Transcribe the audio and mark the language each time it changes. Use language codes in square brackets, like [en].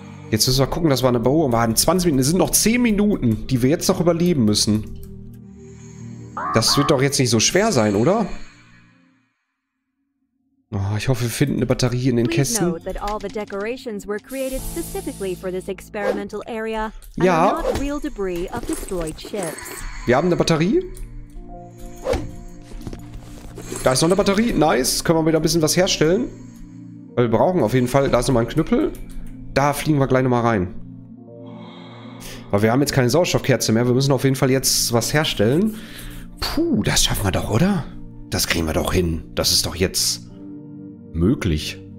[de] Jetzt müssen wir gucken, dass wir eine Bohrer haben. 20 Minuten. Es sind noch 10 Minuten, die wir jetzt noch überleben müssen. Das wird doch jetzt nicht so schwer sein, oder? Oh, ich hoffe, wir finden eine Batterie in den Kästen. [en] Note that all the decorations were created specifically for this experimental area and ja. Not real debris of destroyed ships. [de] Wir haben eine Batterie. Da ist noch eine Batterie. Nice. Können wir wieder ein bisschen was herstellen. Weil wir brauchen auf jeden Fall. Da ist nochmal ein Knüppel. Da fliegen wir gleich nochmal rein. Aber wir haben jetzt keine Sauerstoffkerze mehr. Wir müssen auf jeden Fall jetzt was herstellen. Puh, das schaffen wir doch, oder? Das kriegen wir doch hin. Das ist doch jetzt... möglich.